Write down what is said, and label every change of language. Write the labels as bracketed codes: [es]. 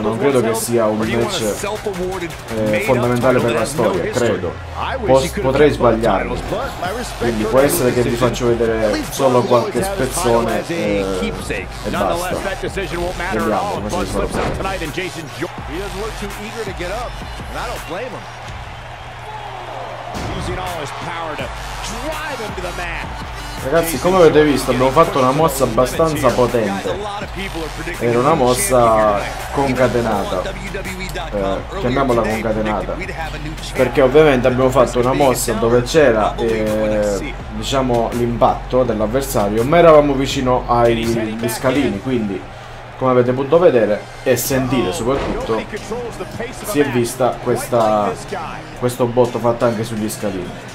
[it] Non credo che sia un match fondamentale per la storia, credo. Potrei sbagliarmi. Quindi può essere che vi faccio vedere solo qualche spezzone e basta. Vediamo come si farò vedere. [en] He doesn't look too eager to get up, and I don't blame him. Using all his power to drive him to the mat. [it] Ragazzi, come avete visto, abbiamo fatto una mossa abbastanza potente. Era una mossa concatenata. Chiamiamola concatenata. Perché ovviamente abbiamo fatto una mossa dove c'era diciamo l'impatto dell'avversario, ma eravamo vicino agli scalini, quindi come avete potuto vedere e sentire soprattutto, si è vista questo botto fatto anche sugli scalini.